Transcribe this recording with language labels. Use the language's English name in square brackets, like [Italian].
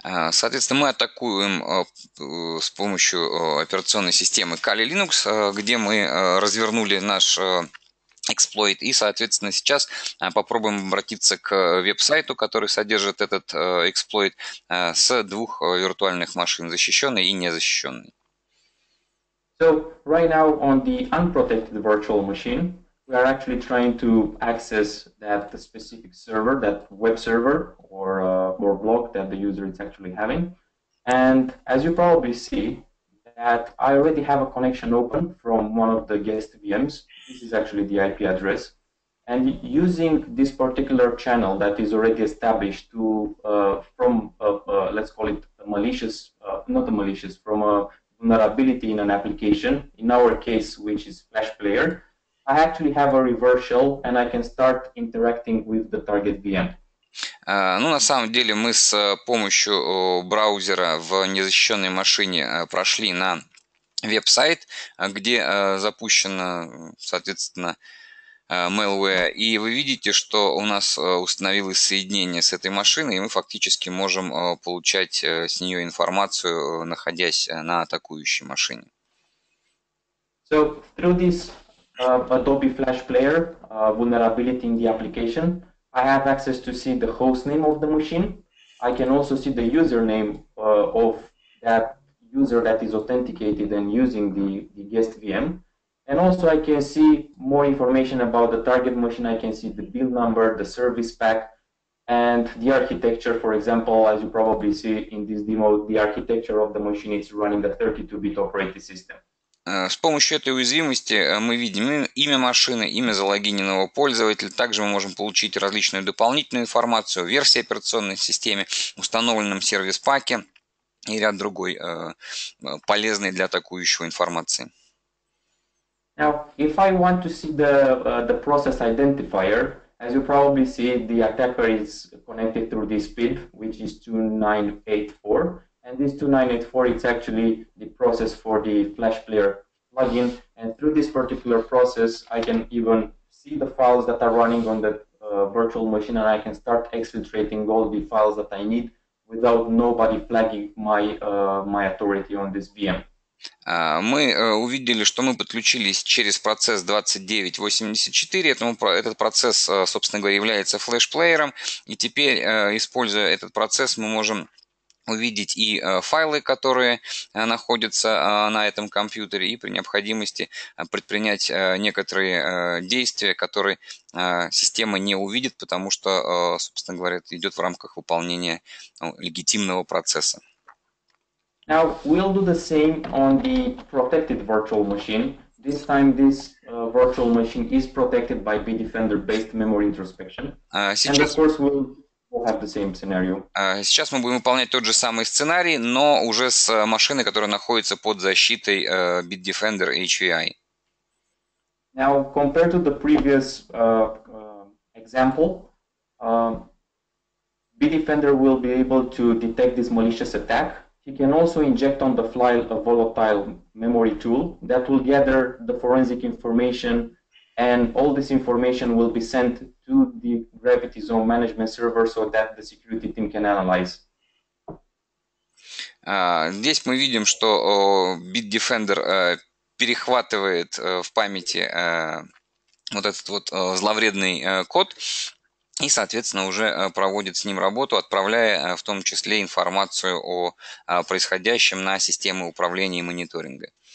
[Russian] Соответственно, мы атакуем с помощью операционной системы Kali Linux, где мы развернули наш эксплойт. И, соответственно, сейчас попробуем обратиться к веб-сайту, который содержит этот эксплойт, с двух виртуальных машин, защищенной и незащищенной. [English] So, right now on the unprotected virtual machine, we are actually trying to access that specific server, that web server or blog that the user is actually having. And as you probably see, that I already have a connection open from one of the guest VMs. This is actually the IP address. And using this particular channel that is already established to from, let's call it a malicious, not a malicious, from a vulnerability in an application, in our case, which is Flash Player, I actually have a reverse shell, and I can start interacting with the target VM. [Russian] Ну, на самом деле, мы с помощью браузера в незащищенной машине прошли на веб-сайт, где запущено, соответственно, malware, и вы видите, что у нас установилось соединение с этой машиной, и мы фактически можем получать с нее информацию, находясь на атакующей машине. [English] So through this Adobe Flash Player vulnerability in the application, I have access to see the host name of the machine. I can also see the username of that user that is authenticated and using the guest VM. And also I can see more information about the target machine. I can see the build number, the service pack, and the architecture. For example, as you probably see in this demo, the architecture of the machine is running a 32-bit operating system. [Russian] С помощью этой уязвимости мы видим имя машины, имя залогиненного пользователя. Также мы можем получить различную дополнительную информацию, версии операционной системы, установленном сервис-паке и ряд другой полезной для атакующего информации. [English] Now, if I want to see the process identifier, as you probably see, the attacker is connected through this PID, which is 2984. And this 2984 is actually the process for the Flash Player plugin. And through this particular process, I can even see the files that are running on the virtual machine, and I can start exfiltrating all the files that I need without nobody flagging my authority on this VM. [Russian] Мы увидели, что мы подключились через процесс 2984. Этот процесс, собственно говоря, является флеш-плеером. И теперь, используя этот процесс, мы можем увидеть и файлы, которые находятся на этом компьютере, и при необходимости предпринять некоторые действия, которые система не увидит, потому что, собственно говоря, это идет в рамках выполнения легитимного процесса. [English] Now we'll do the same on the protected virtual machine. This time this virtual machine is protected by Bitdefender based memory introspection. [Russian] Сейчас... [English] And of course we'll have the same scenario. [Russian] Сейчас мы будем выполнять тот же самый сценарий, но уже с машиной, которая находится под защитой Bitdefender HVI. [English] Now compared to the previous example, Bitdefender will be able to detect this malicious attack. He can also inject on the fly a volatile memory tool that will gather the forensic information, and all this information will be sent to the Gravity Zone management server so that the security team can analyze. [Russian] Здесь мы видим, что Bitdefender перехватывает в памяти вот этот вот зловредный код. И, соответственно, уже проводит с ним работу, отправляя в том числе информацию о происходящем на системы управления и мониторинга.